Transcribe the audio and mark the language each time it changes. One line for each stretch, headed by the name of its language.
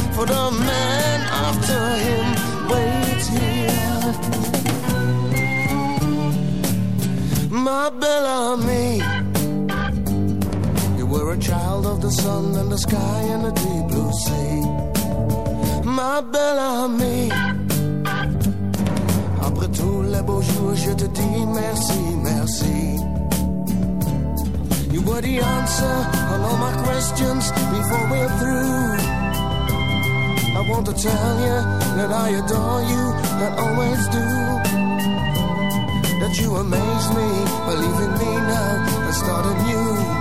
English: For the man after him waits here. My Bellamy, you were a child of the sun and the sky and the deep blue sea.
French: My Bellamy, après tous les beaux jours, je te dis merci, merci.
English: You were the answer on all my questions before we're through. I want to tell you that I adore you and always do. That you amaze me, believe in me now and start anew.